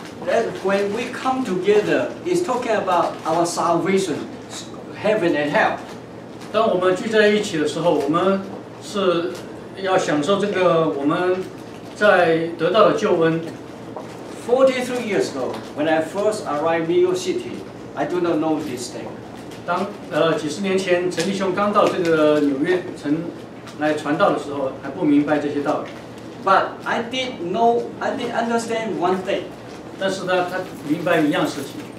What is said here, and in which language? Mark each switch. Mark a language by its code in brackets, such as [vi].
[en] That when we come together is talking about our salvation, heaven and hell. [zh] 当我们聚在一起的时候，我们是要享受这个我们在得到的救恩。 [en] 43 years ago, when I first arrived in New York City, I do not know this thing. [zh] 当几十年前陈弟兄刚到这个纽约城来传道的时候，还不明白这些道理。 [en] But I did know, I did understand one thing. [zh] 但是呢，他明白一样事情。